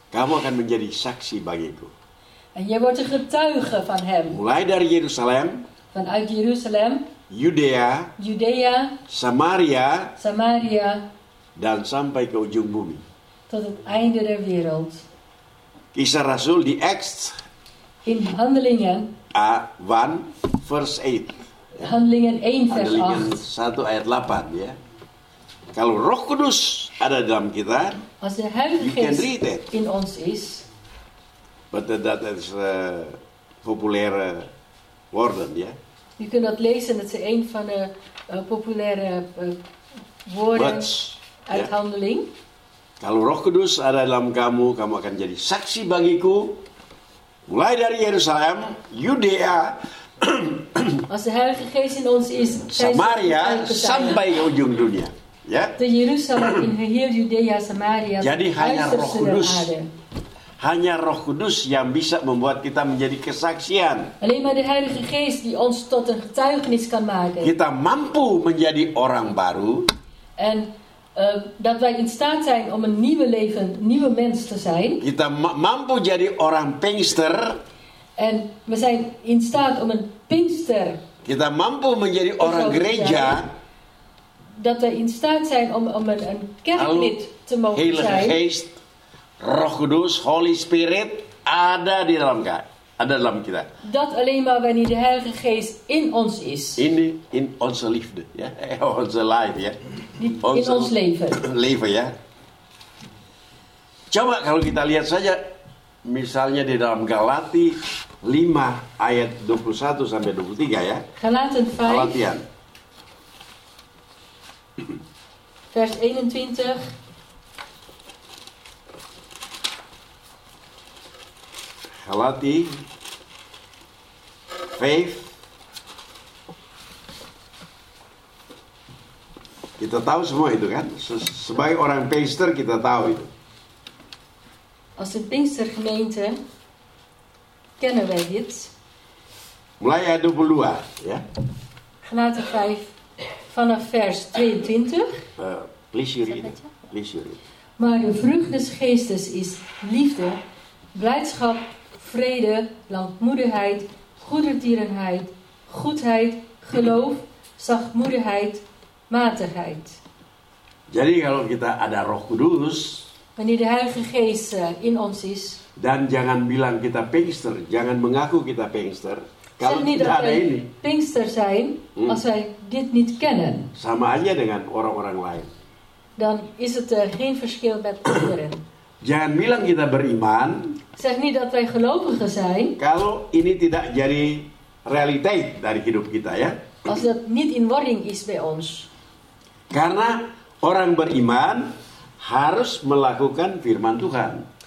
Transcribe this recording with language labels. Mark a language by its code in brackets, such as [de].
[id] Kamu akan menjadi saksi bagiku. [nl] En jij wordt een getuige van Hem. [id] Mulai dari Yerusalem. [nl] Vanuit Jeruzalem. [id] Judea. Samaria. Dan sampai ke ujung bumi. [nl] Tot het einde der wereld. [id] Kisah Rasul di Acts. [nl] In Handelingen. 1 vers 8. Handelingen 1 vers 8. [id] Handelingen 1 ayat 8 ya. Kalau Roh Kudus ada dalam kita. [nl] Als de Heilige Geest in ons is. [en] But that is [nl] populaire woorden ja. Je kunt dat lezen. Dat is een van de populaire woorden uit Handeling. [id] Kalau Roh Kudus ada dalam kamu, kamu akan jadi saksi bagiku. Mulai dari Yerusalem, Yudea. [nl] Als de Heilige Geest in ons is, [id] Samaria sampai ujung dunia. Ya. [nl] De Jerusalem in heel Judea, Samaria. [id] Jadi hanya Roh Kudus. Hanya Roh Kudus yang bisa membuat kita menjadi kesaksian. [nl] Alleen maar de Heilige Geest die ons tot een getuigenis kan maken. [id] Kita mampu menjadi orang baru. [nl] En dat wij in staat zijn om een nieuwe leven, nieuwe mens te zijn. [id] Kita mampu jadi orang Pinkster. [nl] En we zijn in staat om een Pinkster. [id] Kita mampu menjadi orang gereja. [nl] Dat wij in staat zijn om een kerklid te mogen zijn. [id] Heilige Geest, Roh Kudus, Holy Spirit ada di dalam kita. Ada dalam kita. [nl] Dat alleen maar wanneer de Heilige Geest in ons is. In onze liefde, ja, onze life, ja. In ons leven. Leven, ja. [id] Coba kalau kita lihat saja, misalnya di dalam Galati 5 ayat 21 sampai 23 ya. [nl] Galaten 5. [en] Galatian. [nl] Vers 21. [id] Galati 5 Kita tahu semua itu kan. Sebagai orang Pinkster kita tahu itu. [nl] Als een Pinkstergemeente kennen wij dit. [id] Mulai ayat 22, ya. [nl] Gelaten 5 vanaf vers 22. [en] Please read. [nl] Maar de vrucht des geestes is liefde, blijdschap, vrede, langmoedigheid, goedertierenheid, goedheid, geloof, zachtmoedigheid, matigheid. [id] Jadi kalau kita ada Roh Kudus, [nl] wanneer de Heilige Geest in ons is, [id] dan jangan bilang kita Pinkster, jangan mengaku kita Pinkster. Kalau [nl] niet dat wij Pinkster zijn, als wij dit niet kennen. [id] Sama aja dengan orang-orang lain. [nl] Dan is het geen verschil met anderen. [id] Jangan bilang kita beriman. [nl] Zeg niet dat wij gelovigen zijn. [id] Kalau ini tidak jadi realiteit dari hidup kita, ya. [nl] Als dat niet in wording is bij ons. [id] Karena orang beriman harus melakukan firman Tuhan.